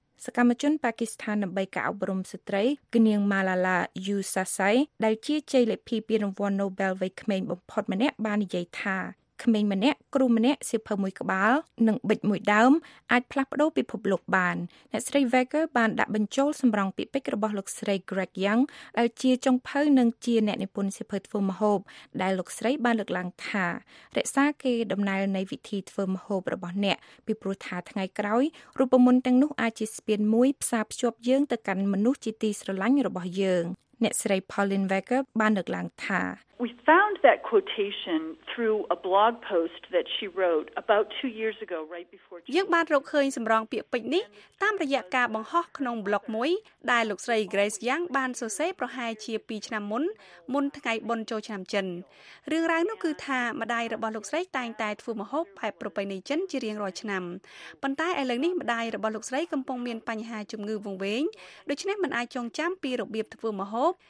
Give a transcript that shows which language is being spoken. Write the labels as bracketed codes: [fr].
[km] សកម្មជនប៉ាគីស្ថានដើម្បីការអប់រំស្ត្រីគនាងម៉ាឡាឡាយូសាសៃដែលជាជ័យលាភីពានរង្វាន់ Nobel វ័យក្មេងបំផុតម្នាក់បាននិយាយថាក្មេងម្នាក់គ្រូម្នាក់សៀវភៅមួយក្បាលនិងប៊ិចមួយដើមអាចផ្លាស់ប្ដូរពិភពលោកបានអ្នកស្រី Wegger បានដាក់បញ្ចូលសម្រងពាក្យពេចន៍របស់លោកស្រី Greg Young ដែលជាចុងភៅនិងជាអ្នកនិពន្ធសៀវភៅធ្វើម្ហូបដែលលោកស្រីបានលើកឡើងថា រក្សាគេដំណើរនៃវិធីធ្វើម្ហូបរបស់អ្នកពីព្រោះថាថ្ងៃក្រោយរូបមន្តទាំងនោះអាចជាស្ពានមួយផ្សារភ្ជាប់យើងទៅកាន់មនុស្សជាទីស្រឡាញ់របស់យើងអ្នកស្រី Pauline Wegger បានលើកឡើងថា [en] We found that quotation through a blog post that she wrote about 2 years ago right before [km] យើងបានរកឃើញសម្រងពាក្យពេចន៍នេះតាមរយៈការបង្ហោះក្នុង blog មួយដែលលោកស្រី Grace Yang បានសរសេរប្រហែលជា2ឆ្នាំមុនថ្ងៃបុណ្យចូលឆ្នាំចិនរឿងរ៉ាវនោះគឺថាម្ដាយរបស់លោកស្រីតែងតែធ្វើម្ហូបបែបប្រពៃណីចិនជារៀងរាល់ឆ្នាំប៉ុន្តែឥឡូវនេះម្ដាយរបស់លោកស្រីកំពុងមានបញ្ហាជំងឺវង្វេងដូច្នេះមិនអាចចងចាំពីរបៀបធ្វើម្ហូ